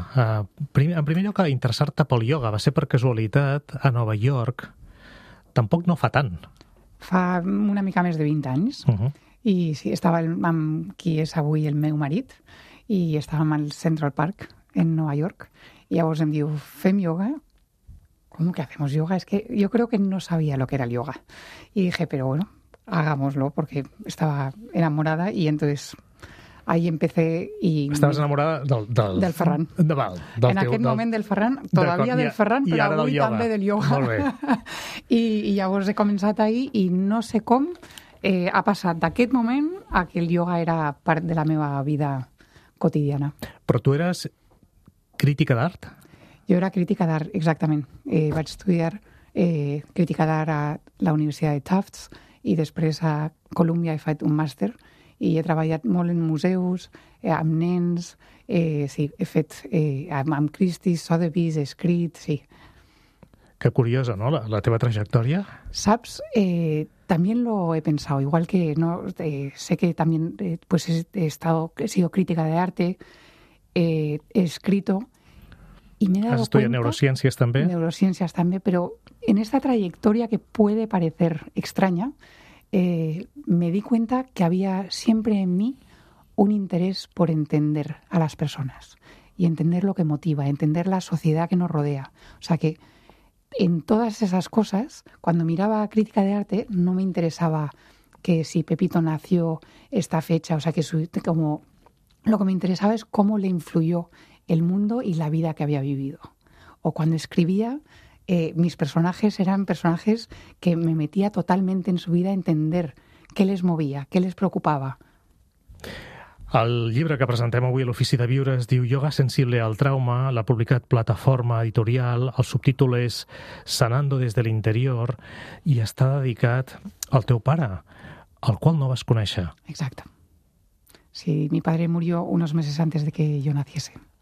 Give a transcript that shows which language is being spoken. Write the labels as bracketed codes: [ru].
[ca] En primer lloc, a interessar-te pel ioga. Va ser per casualitat a Nova York. Tampoc no fa tant. Fa una mica més de 20 anys. Uh-huh. I sí, estava amb qui és avui el meu marit. I estàvem al Central Park, en Nova York. I llavors em diu, fem ioga? [es] ¿Cómo que hacemos ioga? Es que yo creo que no sabía lo que era el ioga. Y dije, pero bueno, hagámoslo, porque estaba enamorada y entonces... Ahí empecé y... [ca] Estaves enamorada del Ferran. En aquell moment del Ferran, [es] todavía del Ferran, [ca] però avui també del ioga. Molt bé. I llavors he començat ahí i no sé com ha passat d'aquest moment a que el ioga era part de la meva vida quotidiana. Però tu eres crítica d'art? Jo era crítica d'art, exactament. Vaig estudiar crítica d'art a la Universitat de Tufts i després a Columbia he fet un màster... I he treballat molt en museus, amb nens, sí, he fet amb Christie's, Sotheby's, escrit, sí. Que curiosa, no?, la teva trajectòria. Saps? També lo he pensat, igual que no, sé que també pues [es] he sido crítica d'arte, [ca] he escrit... Has estudiat neurociències també? Neurociències també, però [es] en esta trajectòria que puede parecer extraña, me di cuenta que había siempre en mí un interés por entender a las personas y entender lo que motiva, entender la sociedad que nos rodea. O sea que en todas esas cosas, cuando miraba crítica de arte, no me interesaba que si Pepito nació esta fecha, o sea que lo que me interesaba es cómo le influyó el mundo y la vida que había vivido. O cuando escribía... mis personajes eran personajes que me metía totalmente en su vida a entender qué les movía, qué les preocupaba. [ca] El llibre que presentem avui a l'Ofici de Viure es diu Ioga sensible al trauma, l'ha publicat Plataforma Editorial, el subtítol és Sanando desde el interior i està dedicat al teu pare, el qual no vas conèixer. Exacte. [es] Sí, mi padre murió unos meses antes de que yo naciese.